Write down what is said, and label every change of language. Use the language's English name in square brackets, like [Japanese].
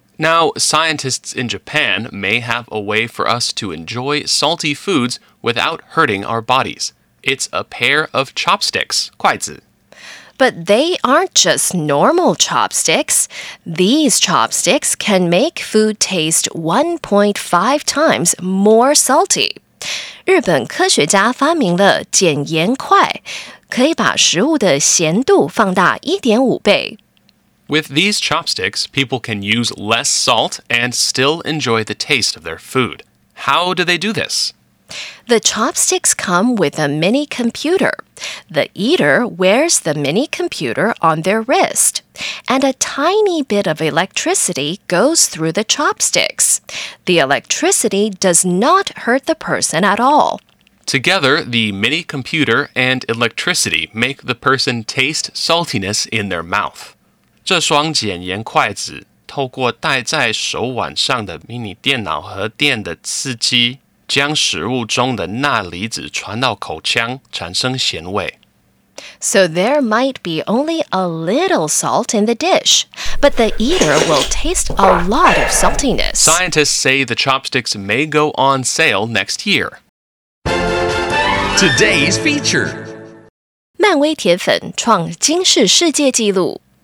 [English] Now, scientists in Japan may have a way for us to enjoy salty foods without hurting our bodies. It's a pair of chopsticks, 筷子. But they aren't just normal chopsticks. These chopsticks can make food taste 1.5 times more salty. [Chinese] 日本科学家发明了减盐筷，可以把食物的咸度放大 1.5 倍。 [English] With these chopsticks, people can use less salt and still enjoy the taste of their food. How do they do this? The chopsticks come with a mini computer. The eater wears the mini computer on their wrist. And a tiny bit of electricity goes through the chopsticks. The electricity does not hurt the person at all. Together, the mini computer and electricity make the person taste saltiness in their mouth. [Chinese] 这双减盐筷子透过戴在手腕上的迷你电脑和电的刺激將食物中的鈉離子傳到口腔,產生鹹味。 [English] So there might be only a little salt in the dish, but the eater will taste a lot of saltiness. Scientists say the chopsticks may go on sale next year. Today's feature. [Chinese] 漫威鐵粉創金氏世界紀錄。